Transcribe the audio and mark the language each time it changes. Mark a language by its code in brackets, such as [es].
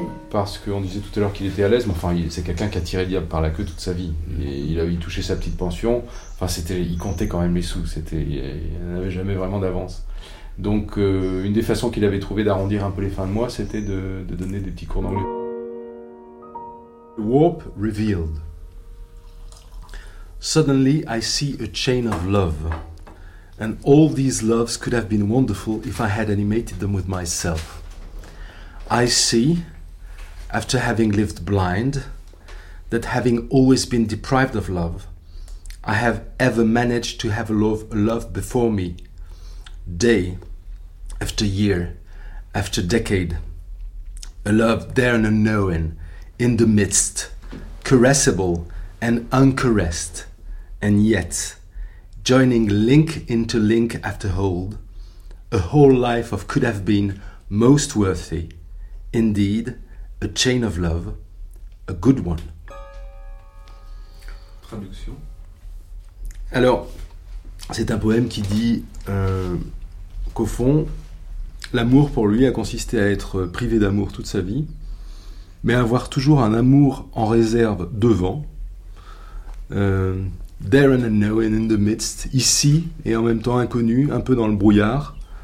[fr] Parce qu'on disait tout à l'heure qu'il était à l'aise, mais enfin, c'est quelqu'un qui a tiré le diable par la queue toute sa vie. Et il avait touché sa petite pension, enfin, il comptait quand même les sous, il n'avait jamais vraiment d'avance. Donc, une des façons qu'il avait trouvé d'arrondir un peu les fins de mois, c'était de donner des petits cours d'anglais. [en] Warp revealed. Suddenly, I see a chain of love. And all these loves could have been wonderful if I had animated them with myself. I see, after having lived blind, that having always been deprived of love, I have ever managed to have a love before me, day after year, after decade, a love there and unknown, in the midst, caressable and uncaressed, and yet joining link into link after hold, a whole life of could have been most worthy, indeed, a chain of love, a good one. [fr] Traduction. Alors, c'est un poème qui dit qu'au fond, l'amour pour lui a consisté à être privé d'amour toute sa vie, mais avoir toujours un amour en réserve devant, [en] there and unknown in the midst, [fr] ici et en même temps inconnu, un peu dans le brouillard,